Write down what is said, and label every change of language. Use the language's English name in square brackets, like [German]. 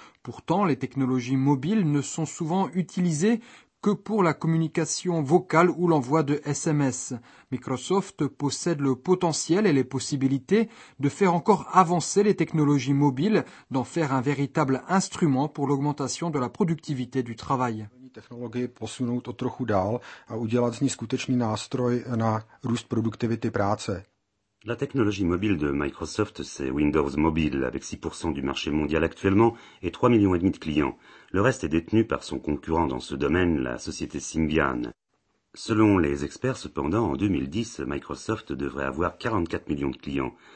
[French] Pourtant, les technologies mobiles ne sont souvent utilisées que pour la communication vocale ou l'envoi de SMS. Microsoft possède le potentiel et les possibilités de faire encore avancer les technologies mobiles, d'en faire un véritable instrument pour l'augmentation de la productivité du travail. [Czech] Technologii posunout o trochu dál a udělat z ní skutečný nástroj na růst produktivity práce. [French] La technologie mobile de Microsoft, c'est Windows Mobile, avec 6% du marché mondial actuellement et 3,5 millions de clients. Le reste est détenu par son concurrent dans ce domaine, la société Symbian. Selon les experts, cependant, en 2010, Microsoft devrait avoir 44 millions de clients.